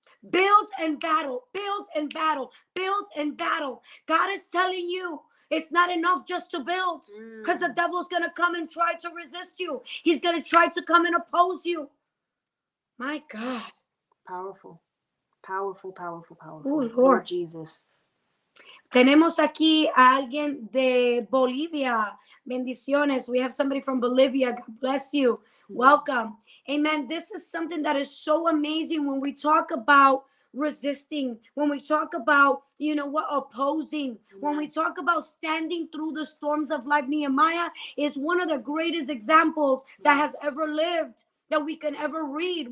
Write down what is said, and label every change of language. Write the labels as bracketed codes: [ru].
[en] Build and battle. Build and battle. Build and battle. God is telling you, it's not enough just to build, because the devil's going to come and try to resist you. He's going to try to come and oppose you. My God. Powerful. Powerful, powerful, powerful. Oh, Lord Jesus. [es] Tenemos aquí a alguien de Bolivia. Bendiciones. [en] We have somebody from Bolivia. God bless you. Welcome. Amen. This is something that is so amazing when we talk about resisting, when we talk about, you know what, opposing, when we talk about standing through the storms of life. Nehemiah is one of the greatest examples that has ever lived, that we can ever read.